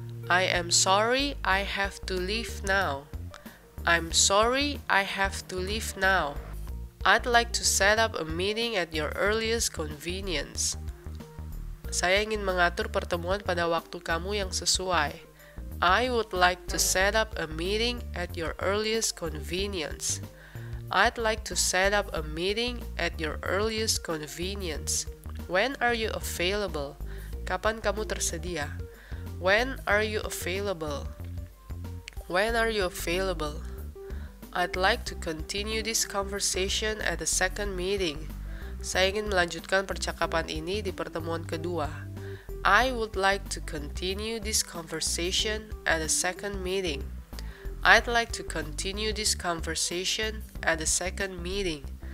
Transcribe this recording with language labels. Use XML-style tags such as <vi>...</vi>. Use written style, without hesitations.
<en>I am sorry I have to leave now. I'm sorry I have to leave now. I'd like to set up a meeting at your earliest convenience.</en> <id>Saya ingin mengatur pertemuan pada waktu kamu yang sesuai.</id> <en>I would like to set up a meeting at your earliest convenience. I'd like to set up a meeting at your earliest convenience. When are you available?</en> <id>Kapan kamu tersedia?</id> <en>When are you available? When are you available? I'd like to continue this conversation at a second meeting.</en> <id>Saya ingin melanjutkan percakapan ini di pertemuan kedua.</id> <en>I would like to continue this conversation at a second meeting. I'd like to continue this conversation at a second meeting.</en>